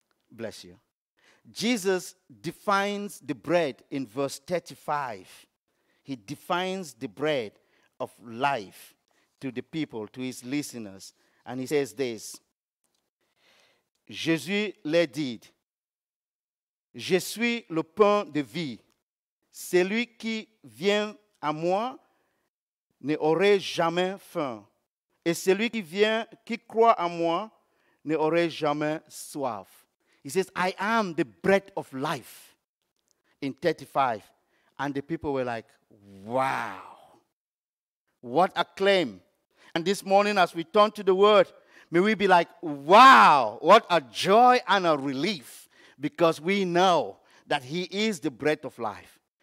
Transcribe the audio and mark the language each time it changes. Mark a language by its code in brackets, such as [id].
[en] Bless you. Jesus defines the bread in verse 35. He defines the bread of life to the people, to his listeners. And he says this. [fr] Jésus leur dit, je suis le pain de vie. Celui qui vient à moi n'aurait jamais faim. Et celui qui vient, qui croit en moi, n'aurait jamais soif. [en] He says, I am the bread of life. In 35. And the people were like, wow. What a claim. And this morning as we turn to the word, may we be like, wow, what a joy and a relief, because we know that he is the bread of life.